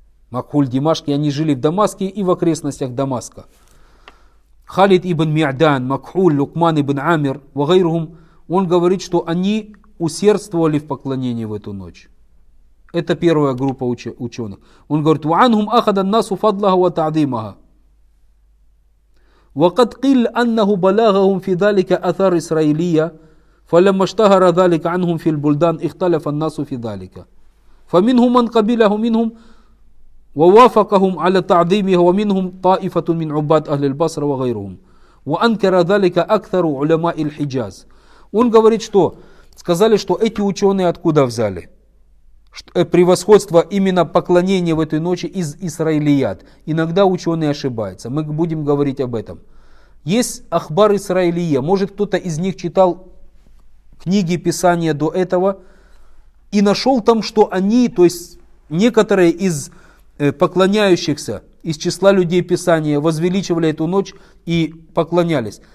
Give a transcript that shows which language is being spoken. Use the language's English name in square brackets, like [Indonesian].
[Russian] Махуль Димашки, они жили в Дамаске и в окрестностях Дамаска. Халид ибн Миадан, Макхуль, Лукман ибн Амир, вагайрухум, он говорит, что они усердствовали в поклонении в эту ночь. Это первая группа ученых. Он говорит, [Arabic] «Ва'ангум ахадан насу фадлаха ва та'димаха». وقد قيل انه بلغهم في ذلك اثار اسرائيليه فلما اشتهر ذلك عنهم في البلدان اختلف الناس في ذلك فمنهم من قبله منهم ووافقهم على تعظيمه ومنهم طائفه من عباد اهل البصره وغيرهم وانكر ذلك اكثر علماء الحجاز. [Russian] Он говорит, что сказали, что эти ученые откуда взяли превосходство именно поклонения в этой ночи из Исраилият. Иногда ученые ошибаются. Мы будем говорить об этом. Есть Ахбар Исраилия. Может, кто-то из них читал книги Писания до этого и нашел там, что они, то есть некоторые из поклоняющихся, из числа людей Писания, возвеличивали эту ночь и поклонялись.